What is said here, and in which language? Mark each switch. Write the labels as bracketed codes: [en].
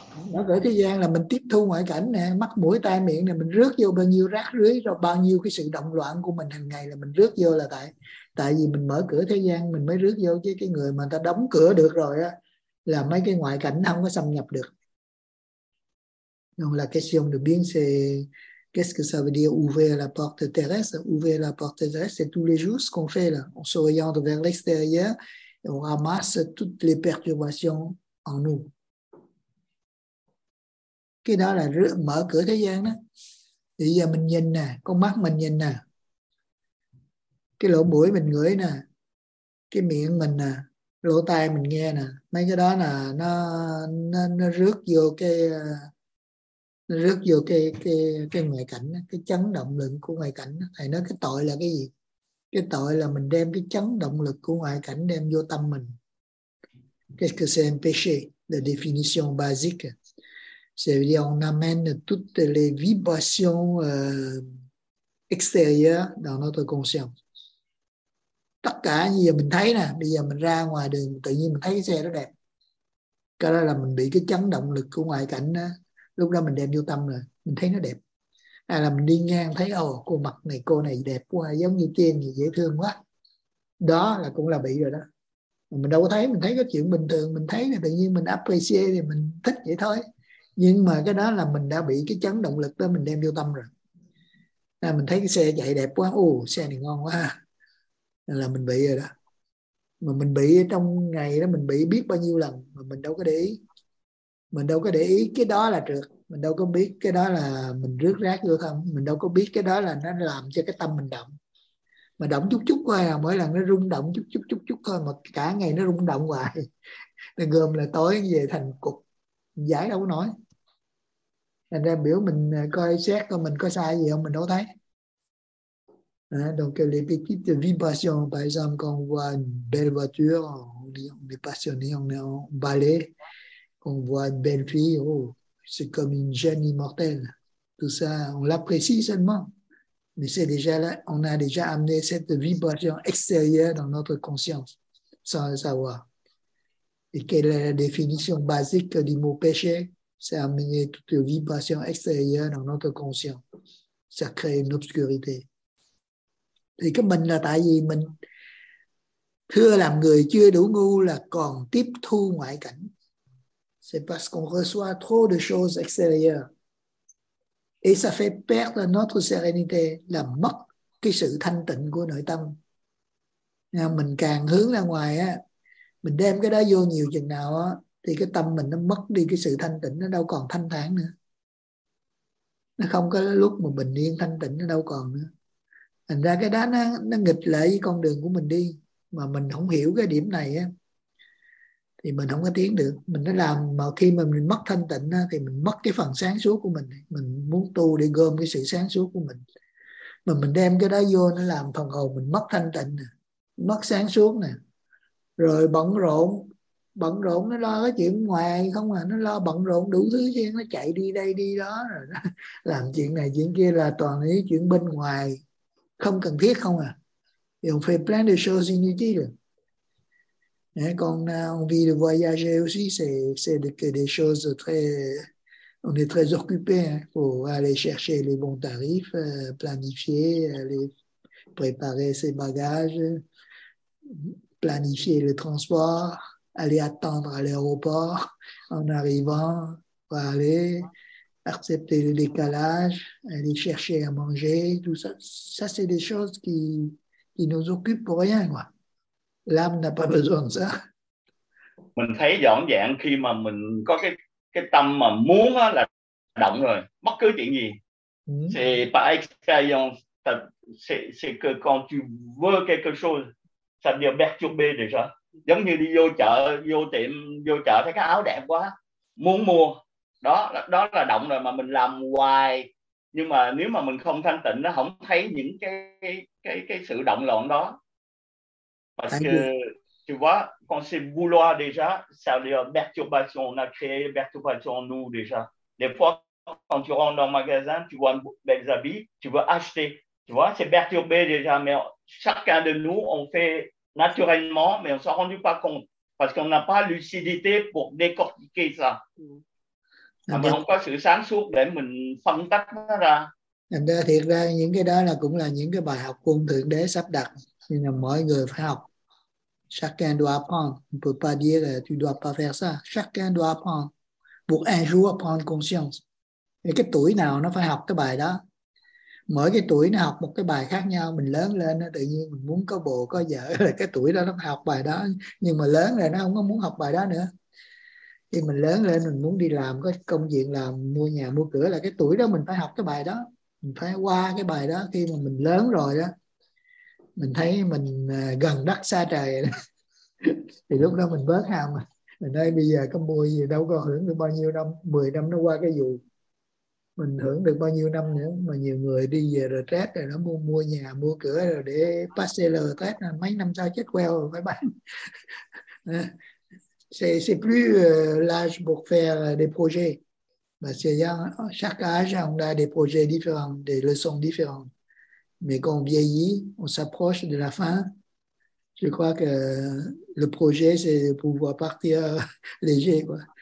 [vi] Nó gửi thế gian là mình tiếp thu ngoại cảnh nè, mắt mũi tai miệng nè, mình rước vô bao nhiêu rác rưới rồi bao nhiêu cái sự động loạn của mình hàng ngày là mình rước vô, là tại vì mình mở cửa thế gian mình mới rước vô, chứ cái người mà ta đóng cửa được rồi á là mấy cái ngoại cảnh không có xâm nhập được. [fr] Donc la question de bien c'est qu'est-ce que ça veut dire ouvrir la porte terrestre? Ouvrir la porte terrestre c'est tous les jours ce qu'on fait là, on s'oriente vers l'extérieur et on ramasse toutes les perturbations en nous. [vi] Cái đó là mở cửa thế gian đó. Thì giờ mình nhìn nè, con mắt mình nhìn nè, cái lỗ mũi mình ngửi nè, cái miệng mình nè, lỗ tai mình nghe nè, mấy cái đó là nó rước vô cái cái ngoại cảnh đó, cái chấn động lực của ngoại cảnh đó. Thầy nói cái tội là cái gì? Cái tội là mình đem cái chấn động lực của ngoại cảnh đem vô tâm mình. [fr] Qu'est-ce que c'est un péché? La définition basique. C'est-à-dire qu'on amène toutes les vibrations extérieures dans notre conscience. [vi] Tất cả những gì mình thấy nè, bây giờ mình ra ngoài đường, tự nhiên mình thấy cái xe rất đẹp. Cái đó là mình bị cái chấn động lực của ngoại cảnh đó, lúc đó mình đem vô tâm rồi, mình thấy nó đẹp. Hay là mình đi ngang thấy, ồ, cô mặt này, cô này đẹp quá, giống như tiên gì, dễ thương quá. Đó là cũng là bị rồi đó. Mà mình đâu có thấy, mình thấy cái chuyện bình thường, mình thấy thì tự nhiên mình appreciate thì mình thích vậy thôi. Nhưng mà cái đó là mình đã bị cái chấn động lực đó mình đem vô tâm rồi. Là mình thấy cái xe chạy đẹp quá, ồ, xe này ngon quá. Là mình bị rồi đó. Mà mình bị trong ngày đó mình bị biết bao nhiêu lần mà mình đâu có để ý. Mình đâu có để ý cái đó là trượt. Mình đâu có biết cái đó là mình rước rác vô tâm. Mình đâu có biết cái đó là nó làm cho cái tâm mình động. Mà động chút chút thôi à, mỗi lần nó rung động chút thôi. Mà cả ngày nó rung động hoài. Nó gồm là tối về thành cục. Giải đâu có nổi. Thành ra biểu mình coi xét coi mình có sai gì không, mình đâu thấy. [fr] Donc les petites vibrations, par exemple quand on voit une belle voiture, on est passionné, on est emballé, quand on voit une belle fille, oh, c'est comme une jeune immortelle. Tout ça, on l'apprécie seulement. Mais c'est déjà là, on a déjà amené cette vibration extérieure dans notre conscience, sans le savoir. Et quelle est la définition basique du mot péché? C'est amener toutes les vibrations extérieures dans notre conscient. Ça crée une obscurité. Et que [vi] mình là tại vì mình thưa làm người chưa đủ ngu là còn tiếp thu ngoại cảnh. [fr] C'est parce qu'on reçoit trop de choses extérieures. Et ça fait perdre notre sérénité, là [vi] mất cái sự thanh tịnh của nội tâm. Nên mình càng hướng ra ngoài á, mình đem cái đó vô nhiều chừng nào á, thì cái tâm mình nó mất đi cái sự thanh tịnh, nó đâu còn thanh thản nữa. Nó không có lúc mà bình yên thanh tịnh, nó đâu còn nữa. Thành ra cái đó nó nghịch lại với con đường của mình đi. Mà mình không hiểu cái điểm này á, thì mình không có tiến được. Mình nó làm, mà khi mà mình mất thanh tịnh á, thì mình mất cái phần sáng suốt của mình. Mình muốn tu để gom cái sự sáng suốt của mình. Mà mình đem cái đó vô, nó làm phần hồn mình mất thanh tịnh, mất sáng suốt nè. Rồi bận rộn nó lo cái chuyện ngoài không à, nó lo bận rộn đủ thứ chứ, nó chạy đi đây đi đó rồi nó làm chuyện này chuyện kia là toàn những chuyện bên ngoài không cần thiết không à. [fr] Et on fait plein de choses inutiles. Et quand on vit de voyager aussi, c'est des choses très, on est très occupé hein, pour aller chercher les bons tarifs, planifier, aller préparer ses bagages, planifier le transport, aller attendre à l'aéroport en arrivant, pour aller accepter le décalage, aller chercher à manger, tout ça. Ça, c'est des choses qui nous occupent pour rien, quoi. L'âme n'a pas besoin de ça. [vi] Mình thấy rõ ràng khi mà mình có cái cái tâm mà muốn là động rồi, bất cứ chuyện gì. [fr] C'est par expérience, c'est que quand tu veux quelque chose, ça devient perturbé déjà. [vi] Giống như đi vô chợ, vô tiệm, vô chợ thấy cái áo đẹp quá, muốn mua. Đó là động rồi, mà mình làm hoài. Nhưng mà nếu mà mình không thanh tịnh, nó không thấy những cái sự động loạn đó. [fr] Parce que, tu vois, quand c'est vouloir déjà, ça devient perturbation. On a créé perturbation en nous déjà. Des fois, quand tu rentres dans un magasin, tu vois une belle habit, tu veux acheter. Tu vois, c'est perturbé déjà. Mais chacun de nous, on fait naturellement, mais on s'est rendu pas compte. Parce qu'on n'a pas lucidité pour décortiquer ça. [vi] Mình không có sự sáng suốt để mình phân tách nó ra. Thành ra thiệt ra những cái đó là cũng là những cái bài học quân Thượng Đế sắp đặt. Nên là mọi người phải học. [fr] Chacun doit apprendre. On ne peut pas dire que tu dois pas faire ça. Chacun doit apprendre. Pour un jour apprendre conscience. [vi] Thì cái tuổi nào nó phải học cái bài đó. Mỗi cái tuổi nó học một cái bài khác nhau. Mình lớn lên nó tự nhiên mình muốn có bồ có vợ. Là cái tuổi đó nó phải học bài đó. Nhưng mà lớn rồi nó không có muốn học bài đó nữa. Thì mình lớn lên mình muốn đi làm, có công việc làm, mua nhà mua cửa, là cái tuổi đó mình phải học cái bài đó. Mình phải qua cái bài đó. Khi mà mình lớn rồi đó, mình thấy mình gần đất xa trời đó. Thì lúc đó mình bớt ham. Mình nói bây giờ có mua gì đâu, có hưởng được bao nhiêu năm. 10 năm nó qua cái vụ, mình hưởng được bao nhiêu năm nữa. Mà nhiều người đi về retreat rồi nó mua mua nhà mua cửa rồi để parcelle test, mấy năm sau chết queo rồi phải bán. [fr] C'est plus l'âge pour faire des projets. Parce que chaque âge, on a des projets différents, des leçons différentes. Mais quand on vieillit, on s'approche de la fin. Je crois que le projet, c'est de pouvoir partir léger. Quoi.